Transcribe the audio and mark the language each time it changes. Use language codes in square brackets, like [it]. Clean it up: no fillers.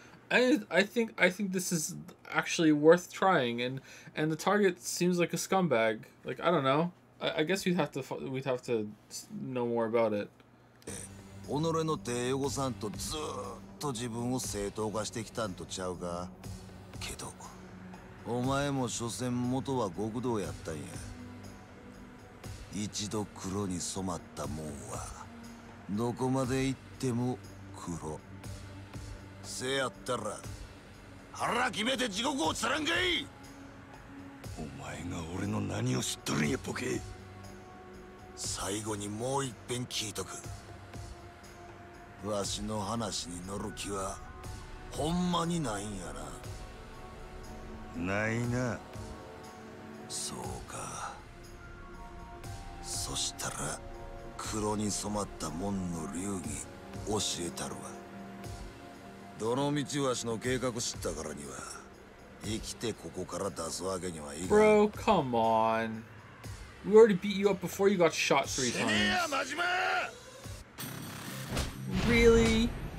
[en] I think this is actually worth trying, and the target seems like a scumbag. Like, I don't know. I guess we'd have to know more about it. [ja] 己の手汚さんとずっと自分を正当化してきたんとちゃうか。けど、お前も所詮元は極道やったんや。一度黒に染まったもんはどこまで行っても黒。せやったら腹決めて地獄を釣らんかい。お前が俺の何を知っとるんやポケ。最後にもう一遍聞いとく。わしの話に乗る気はほんまにないんやな。ないな。そうか。そしたら黒に染まった門の流儀教えたるわ。どの道わしの計画知ったからには生きてここから出すわけにはいかん。 [en] Bro, come on. We already beat you up before you got shot 3 times. [ja] 死ねや、マジマ。 [en] Really?